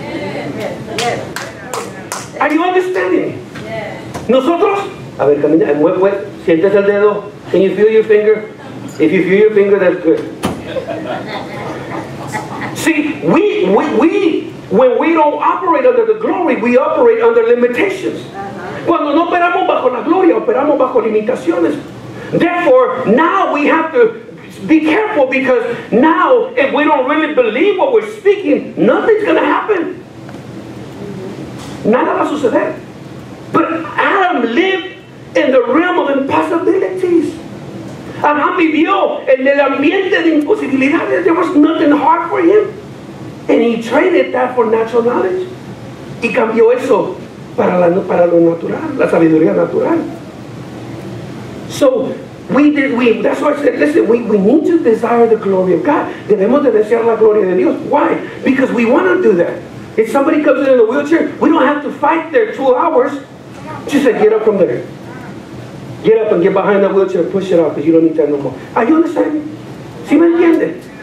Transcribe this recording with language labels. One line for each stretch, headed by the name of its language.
English: Are you understanding?
Spanish: Nosotros. A ver, camina. Mueve. Sientes el dedo.
English: Can you feel your finger? If you feel your finger, that's good. See, we. When we don't operate under the glory, we operate under limitations. Uh-huh.
Spanish: Cuando no operamos bajo la gloria, operamos bajo limitaciones.
English: Therefore, now we have to be careful, because now if we don't really believe what we're speaking, nothing's going to happen. Mm-hmm.
Spanish: Nada va a suceder.
English: But Adam lived in the realm of impossibilities.
Spanish: Adam vivió en el ambiente de imposibilidades.
English: There was nothing hard for him. And he traded that for natural knowledge.
Spanish: Y cambió eso para lo natural, la sabiduría natural.
English: So that's why I said, listen, we need to desire the glory of God.
Spanish: Debemos de desear la gloria de Dios.
English: Why? Because we want to do that. If somebody comes in a wheelchair, we don't have to fight there 2 hours. She said, get up from there. Get up and get behind that wheelchair and push it out, because you don't need that no more. Are you understanding?
Spanish: ¿Sí me entiende?